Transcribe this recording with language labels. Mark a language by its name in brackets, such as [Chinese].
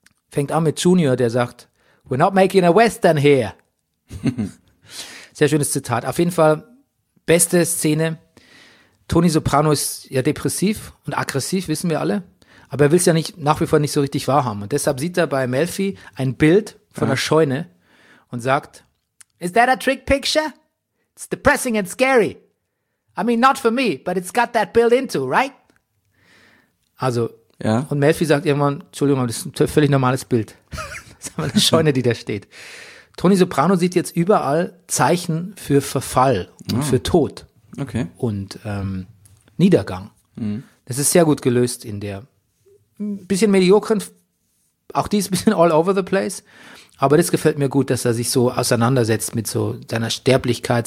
[German] Fängt an mit Junior, der sagt, [English] we're not making a Western here. [German] Sehr schönes Zitat. Auf jeden Fall, beste Szene. Tony Soprano ist ja depressiv und aggressiv, wissen wir alle. Aber er will es ja nach wie vor nicht so richtig wahrhaben. Und deshalb sieht er bei Melfi ein Bild von einer Scheune und sagt, [English] is that a trick picture? It's depressing and scary. I mean, not for me, but it's got that built into, right? [German] Also, und Melfi sagt irgendwann, Entschuldigung, das ist ein völlig normales Bild. Das ist aber eine Scheune, die da steht. Tony Soprano sieht jetzt überall Zeichen für Verfall und für Tod. Okay. Und Niedergang. Mhm. Das ist sehr gut gelöst in der bisschen mediokren, auch die ist ein bisschen [English] all over the place, [German] aber das gefällt mir gut, dass er sich so auseinandersetzt mit so seiner Sterblichkeit.